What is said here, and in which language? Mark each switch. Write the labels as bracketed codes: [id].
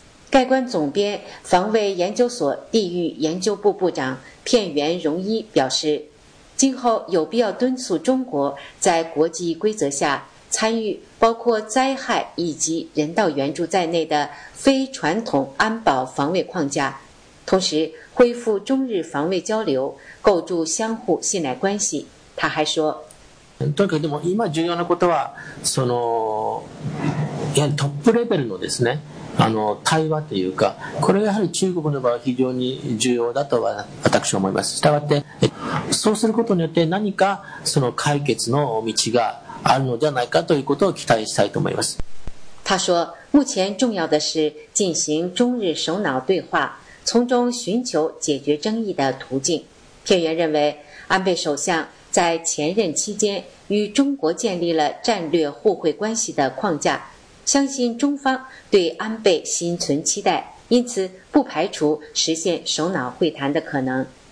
[zh] 概观总编、防卫研究所地域研究部部长片原荣一表示，今后有必要敦促中国在国际规则下参与包括灾害以及人道援助在内的非传统安保防卫框架，同时恢复中日防卫交流，构筑相互信赖关系。他还说， [ja] でも今重要なことはそのトップレベルのですね、あの対話というか、これがやはり中国の場合非常に重要だとは私は思います。したがってそうすることによって何かその解決の道があるのではないかということを期待したいと思います。 [zh] 他说，目前重要的是进行中日首脑对话，从中寻求解决争议的途径。片原认为，安倍首相在前任期间与中国建立了战略互惠关系的框架，相信中方对安倍心存期待，因此不排除实现首脑会谈的可能。